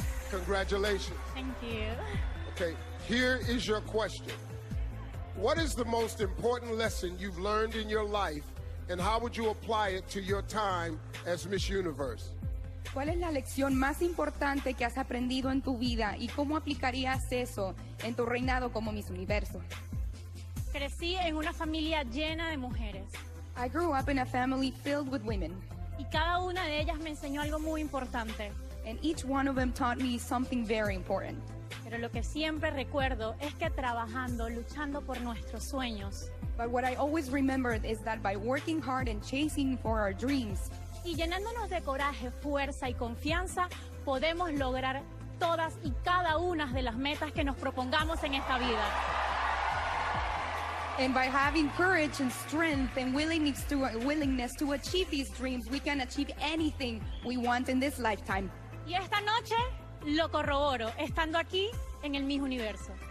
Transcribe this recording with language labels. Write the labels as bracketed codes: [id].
[en] Congratulations. Thank you. Okay, here is your question. What is the most important lesson you've learned in your life, and how would you apply it to your time as Miss Universe? [es] ¿Cuál es la lección más importante que has aprendido en tu vida y cómo aplicarías eso en tu reinado como Miss Universo? Crecí en una familia llena de mujeres. [en] I grew up in a family filled with women. [es] Y cada una de ellas me enseñó algo muy importante. [en] And each one of them taught me something very important. [es] Pero lo que siempre recuerdo es que trabajando, luchando por nuestros sueños. [en] But what I always remember is that by working hard and chasing for our dreams. [es] Y llenándonos de coraje, fuerza y confianza, podemos lograr todas y cada una de las metas que nos propongamos en esta vida. [en] And by having courage and strength and willingness to achieve these dreams, we can achieve anything we want in this lifetime. [es] Y esta noche lo corroboro estando aquí en el Miss Universo.